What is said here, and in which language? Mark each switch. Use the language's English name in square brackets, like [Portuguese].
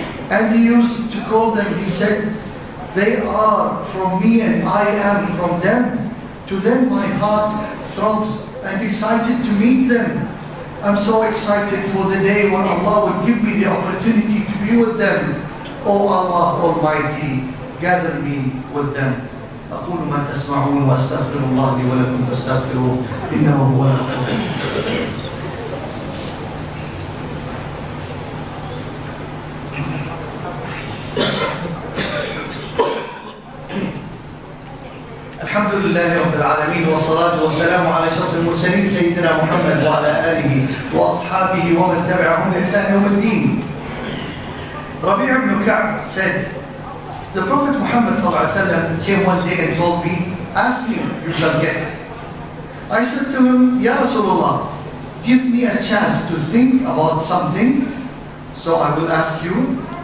[English] And he used to call them, he said, 'They are from me and I am from them. To them my heart throbs and excited to meet them. I'm so excited for the day when Allah will give me the opportunity to be with them. Oh Allah Almighty, gather me with them.'" [Arabic] أقول ما تسمعون وأستغفر الله لي ولكم فاستغفروا إنه هو الغفور. الحمد لله رب العالمين والصلاة والسلام على أشرف المرسلين سيدنا محمد وعلى آله وأصحابه ومن تبعهم بإحسان يوم الدين. [English] ربيع بن كعب said, "The Prophet Muhammad came one day and told me, 'Ask me, you shall get.' I said to him, 'Ya Rasulullah, give me a chance to think about something, so I will ask you.'